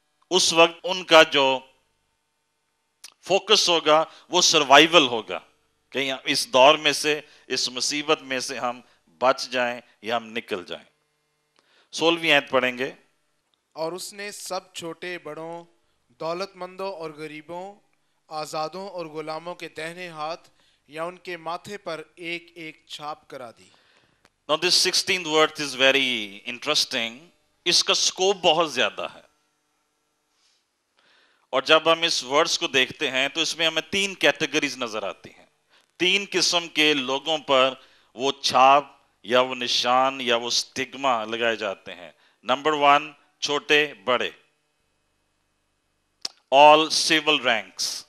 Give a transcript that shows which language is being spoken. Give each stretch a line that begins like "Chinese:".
Urdu: اس وقت ان کا جو فوکس ہوگا وہ سروائیول ہوگا, کہیں اس دور میں سے, اس مصیبت میں سے ہم بچ جائیں یا ہم نکل جائیں. 16th آیت پڑھیں گے. اور اس نے سب چھوٹے بڑوں, دولت مندوں اور غریبوں, آزادوں اور غلاموں کے دہنے ہاتھ یا ان کے ماتھے پر ایک ایک چھاپ کرا دی.
English: Now this 16th word is very interesting.
Urdu: اس کا سکوپ بہت زیادہ ہے, اور جب ہم اس ورڈز کو دیکھتے ہیں تو اس میں ہمیں تین کیٹیگریز نظر آتی ہیں, تین قسم کے لوگوں پر وہ چھاپ یا وہ نشان یا وہ سٹگما لگائے جاتے ہیں. نمبر ون, چھوٹے بڑے,
English: all civil ranks.